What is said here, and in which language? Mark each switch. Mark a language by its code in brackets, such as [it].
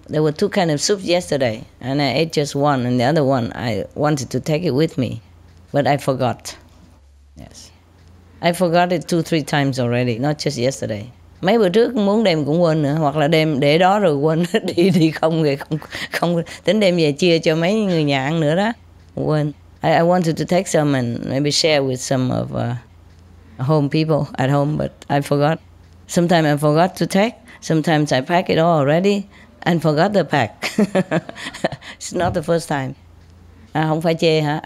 [en] There were two kind of soups yesterday, and I ate just one, and the other one I wanted to take it with me, but I forgot. Yes, I forgot it 2-3 times already, not just yesterday. [vi] Mấy bữa trước muốn đem cũng quên nữa, hoặc là đem để đó rồi quên đi không người không tính đem về chia cho mấy người nhà ăn nữa đó. [en] When I wanted to take some and maybe share with some of home people at home, but I forgot. Sometimes I forgot to take. Sometimes I pack it all already and forgot the pack. It's not the first time. Không phải chê hả?